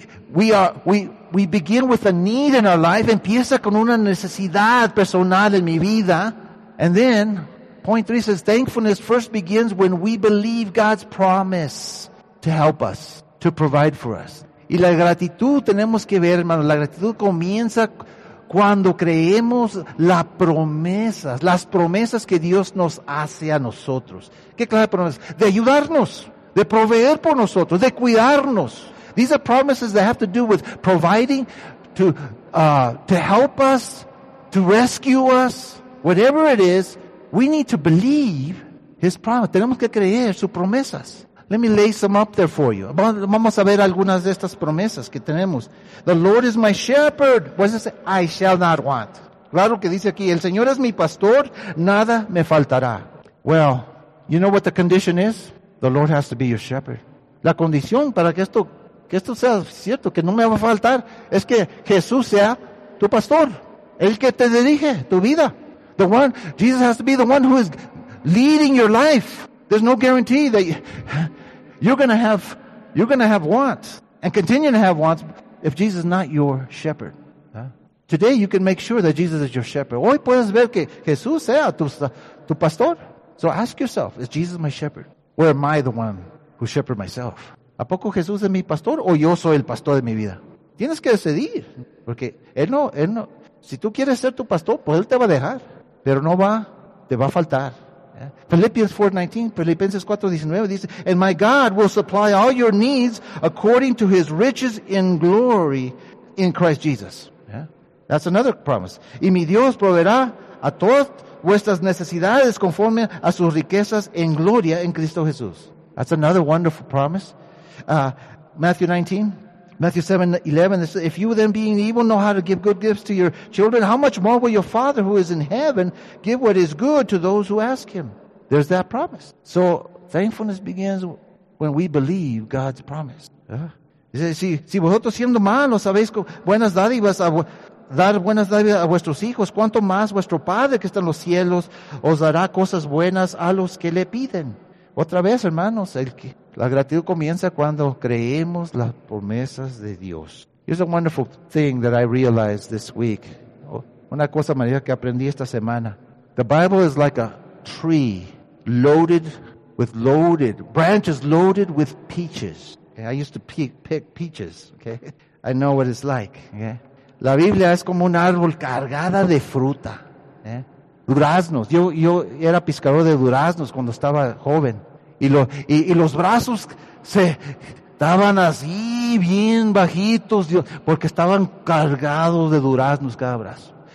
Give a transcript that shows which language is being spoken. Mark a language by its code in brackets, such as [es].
[en] We begin with a need in our life. [es] Empieza con una necesidad personal en mi vida. [en] And then, point three says, thankfulness first begins when we believe God's promise to help us, to provide for us. [es] Y la gratitud tenemos que ver, hermano. La gratitud comienza cuando creemos las promesas que Dios nos hace a nosotros. ¿Qué clase de promesas? De ayudarnos, de proveer por nosotros, de cuidarnos. [en] These are promises that have to do with providing to help us, to rescue us, whatever it is. We need to believe His promise. [es] Tenemos que creer sus promesas. [en] Let me lay some up there for you. [es] Vamos a ver algunas de estas promesas que tenemos. [en] The Lord is my shepherd. What does it say? I shall not want. [es] Claro que dice aquí, el Señor es mi pastor, nada me faltará. [en] Well, you know what the condition is? The Lord has to be your shepherd. [es] La condición para que esto sea cierto, que no me va a faltar, es que Jesús sea tu pastor, el que te dirige tu vida. [en] The one, Jesus has to be the one who is leading your life. There's no guarantee that you're going to have wants and continue to have wants if Jesus is not your shepherd. Huh? Today you can make sure that Jesus is your shepherd. [es] Hoy puedes ver que Jesús sea tu pastor. [en] So ask yourself, is Jesus my shepherd? Or am I the one who shepherd myself? [es] ¿A poco Jesús es mi pastor o yo soy el pastor de mi vida? Tienes que decidir. Porque él no. Si tú quieres ser tu pastor, pues él te va a dejar. Pero no va, te va a faltar. Filipenses 4:19 dice, [en] and my God will supply all your needs according to His riches in glory in Christ Jesus. Yeah. That's another promise. [es] Y mi Dios proveerá a todas vuestras necesidades conforme a sus riquezas en gloria en Cristo Jesús. [en] That's another wonderful promise. Matthew 7:11, if you then being evil know how to give good gifts to your children, how much more will your Father who is in heaven give what is good to those who ask Him? There's that promise. So, thankfulness begins when we believe God's promise. Yeah. [es] Si vosotros siendo malos sabéis buenas dádivas a dar buenas dádivas a vuestros hijos, cuanto más vuestro Padre que está en los cielos os dará cosas buenas a los que le piden. Otra vez, hermanos, la gratitud comienza cuando creemos las promesas de Dios. [en] Here's a wonderful thing that I realized this week. [es] Una cosa maravillosa que aprendí esta semana. [en] The Bible is like a tree loaded with branches loaded with peaches. Okay, I used to pick peaches. Okay, I know what it's like. Okay? [es] La Biblia es como un árbol cargada de fruta. Okay? Duraznos. Yo era pescador de duraznos cuando estaba joven. Y los brazos se estaban así bien bajitos, Dios, porque estaban cargados de duraznos cada brazo.